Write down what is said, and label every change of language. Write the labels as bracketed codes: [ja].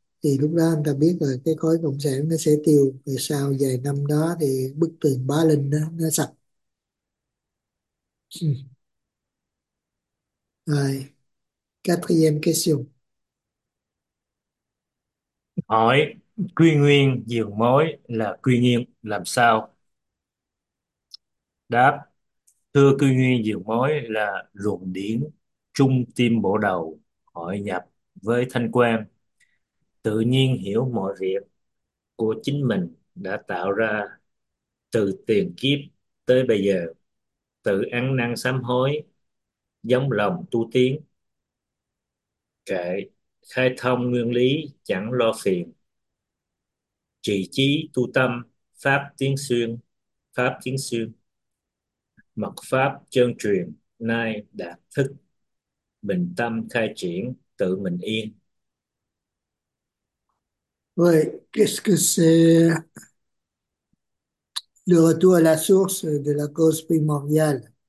[vi] Thì lúc đó anh ta biết là cái khối cộng sản nó sẽ tiêu, rồi sau vài năm đó thì bức tường Berlin đó nó sập. [fr] Rồi, quatrième question. [vi] Hỏi quy nguyên dường mối là quy nhiên làm sao? Đáp: thưa quy nguyên dường mối là luồng điển trung tim bộ đầu hội nhập với thanh quan, tự nhiên hiểu mọi việc của chính mình đã tạo ra từ tiền kiếp tới bây giờ, tự ăn năn sám hối, dốc lòng tu tiến, kệ khai thông nguyên lý chẳng lo phiền, trì chí tu tâm, pháp tiến xuyên, pháp tiến xuyên, mật pháp chân truyền nay đạt thức, bình tâm khai triển tự mình yên. [fr] Oui, qu'est-ce que c'est le retour à la source de la cause primordiale?